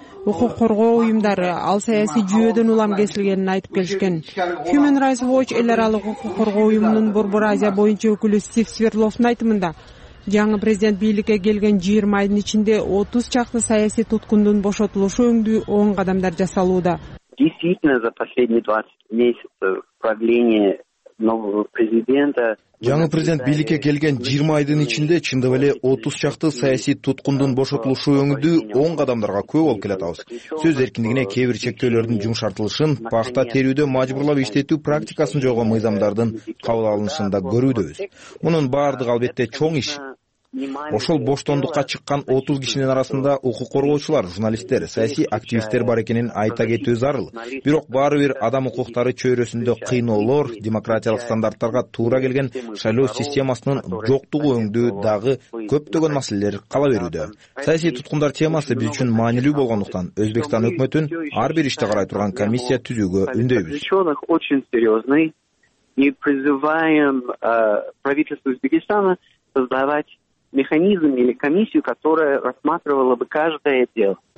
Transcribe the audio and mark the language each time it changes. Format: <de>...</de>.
<ky>укук коргоо уюмдары ал саясий жүйөдөн улам кесилгенин айтып келишкен. Human Rights Watch эл аралык укук коргоо уюмунун Борбор Азия боюнча өкүлү Стив Свердловдун айтымында жаңы президент бийликке келген 20 айдын ичинде 30 чакты саясий туткундун бошотулушу өңдүү оң кадамдар жасалууда.</ky> <ru>Действительно, за последние 20 месяцев правления нового президента...</ru> <ky>Жаңы президент бийликке келген 20 айдын ичинде чындап эле 30 чакты саясий туткундун бошотулушу өңүдү оң кадамдарга көп болуп келатабыз. Сөз эркиндигине кээ бир чектөөлөрдүн жумшартылышын, пахта терүүдө мажбурлап иштетүү практикасын жойгон мыйзамдардын кабыл алынышында көрүүдөбүз. Мунун баардыгы албетте чоң иш. Ошол боштондукка чыккан 30 кишинин арасында укук коргоочулар, журналисттер, саясий активисттер бар экенин айта кетүү зарыл. Бирок баары бир адам укуктары чөйрөсүндө кыйноолор, демократиялык стандарттарга туура келген шайлоо системасынын жоктугу өңдүү дагы көптөгөн маселелер кала берүүдө. Саясий туткундар темасы биз үчүн маанилүү болгондуктан Өзбекстан өкмөтүн ар бир иште карай турган комиссия түзүүгө үндөйбүз.</ky> <ru>Мы призываем правительство Узбекистана создавать механизм или комиссию, которая рассматривала бы каждое дело.</ru>